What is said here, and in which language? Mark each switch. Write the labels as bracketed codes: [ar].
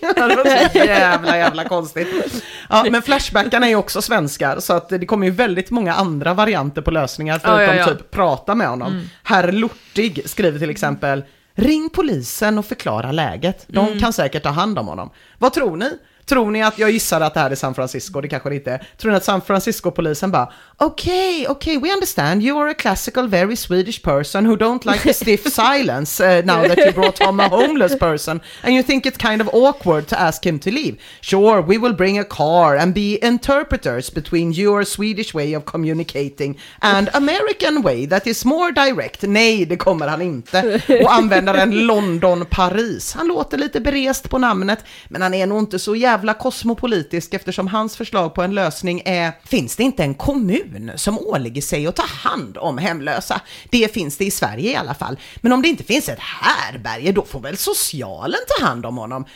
[sv] Det var så jävla konstigt. Ja, men flashbackarna är ju också svenskar, så att det kommer ju väldigt många andra varianter på lösningar förutom typ prata med honom. Herr Lortig skriver till exempel, ring polisen och förklara läget. De kan säkert ta hand om honom. Vad tror ni? Tror ni att jag gissar att det här är San Francisco? Det kanske det inte är. Tror ni att San Francisco-polisen bara, okej, [en] we understand. You are a classical, very Swedish person who don't like the stiff silence now that you brought home a homeless person. And you think it's kind of awkward to ask him to leave. Sure, we will bring a car and be interpreters between your Swedish way of communicating and American way that is more direct. [sv] Nej, det kommer han inte. Och använder en London-Paris. Han låter lite berest på namnet, men han är nog inte så jävla kosmopolitisk, eftersom hans förslag på en lösning är, finns det inte en kommun som åligger sig att ta hand om hemlösa? Det finns det i Sverige i alla fall. Men om det inte finns ett härberge, då får väl socialen ta hand om honom.